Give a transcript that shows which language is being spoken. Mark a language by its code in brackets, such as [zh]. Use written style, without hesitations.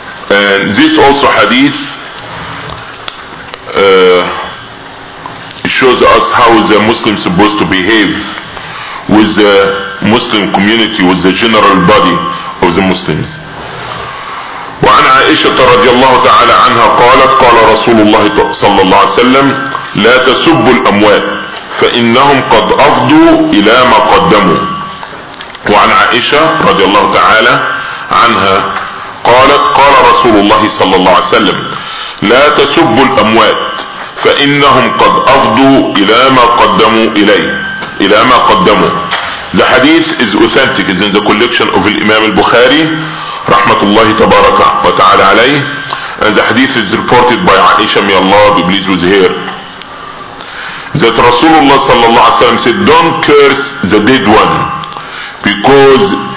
[en] And this also hadith shows us how the Muslim supposed to behave with the Muslim community, with the general body of the Muslims. [ar] وعن عائشة رضي الله تعالى عنها قالت قال رسول الله صلى الله عليه وسلم لا تسبوا الأموات فإنهم قد أفضوا إلى ما قدموا. وعن عائشة رضي الله تعالى عنها قالت قال رسول الله صلى الله عليه وسلم لا تسبوا الأموات فإنهم قد أفضوا إلى ما قدموا إليه إلى ما قدموا. [en] The hadith is authentic, is in the collection of Imam al-Bukhari rahmatullahi tabaraka wa ta'ala alayh, and the hadith is reported by Aisha, may Allah be pleased with her, that Rasulullah sallallahu alayhi wa sallam said, don't curse the dead one, because